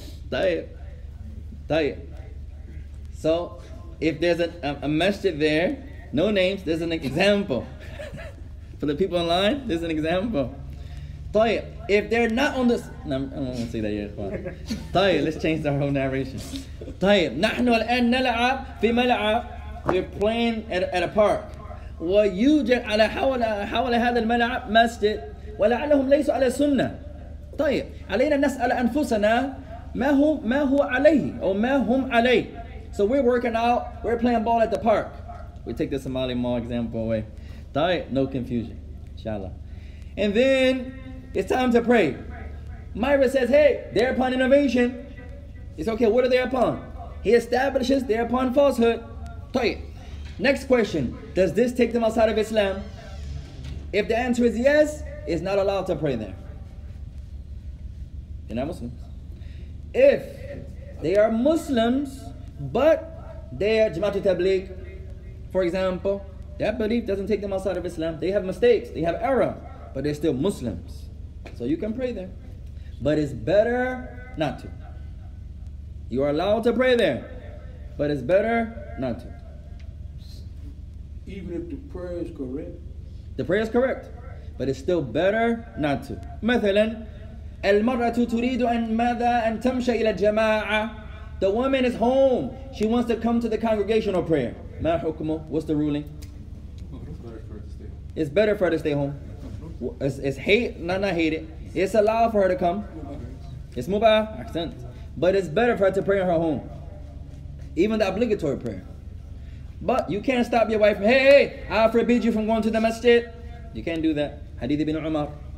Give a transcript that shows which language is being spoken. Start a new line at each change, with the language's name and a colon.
English: Tayyip. So, if there's a masjid there, no names, there's an example. For the people online, there's an example. Tayyip, if they're not on this, no, I don't want to say that yet. Tayyip, let's change the whole narration.
Arabic: Tayyip, نَحْنُ الْآنَ نَلَعَبْ فِي مَلَعَبْ.
English: We're playing at a park.
Arabic: وَيُوجَدْ عَلَى حَوَلَ هَذَا الْمَلَعَبْ مَسْجِدْ وَلَعَلَّهُمْ لَيْسُوا عَلَى سُنَّةِ. Tayyip, عَلَيْنَا نَسْأَلَ أَنفُسَنَا مَا هُوَ عَلَيْهِ or مَا هُمْ عَلَيْهِ.
English: So we're working out, we're playing ball at the park. We take the Somali Mall example away. Tayyip, no confusion. Inshallah. And then it's time to pray. Myra says, hey, they're upon innovation. It's okay, what are they upon? He establishes they're upon falsehood. Tayyip. Next question. Does this take them outside of Islam? If the answer is yes, it's not allowed to pray there. They're not Muslims. If they are Muslims, but they are Jama'atul Tabligh, for example, that belief doesn't take them outside of Islam. They have mistakes, they have error, but they're still Muslims. So you can pray there. But it's better not to. You are allowed to pray there, but it's better not to. Even if the prayer is correct? The prayer is correct, but it's still better not to.
Arabic: مثلاً المرأة تريد أن ماذا أن تمشي إلى الجماعة.
English: The woman is home. She wants to come to the congregational prayer.
Arabic: ما حكمه?
English: What's the ruling? It's better for her to stay home. It's hate, not hate it. It's allowed for her to come. It's mubah, accent. But it's better for her to pray in her home. Even the obligatory prayer. But you can't stop your wife from, hey, I forbid you from going to the masjid. You can't do that. Hadith ibn Umar.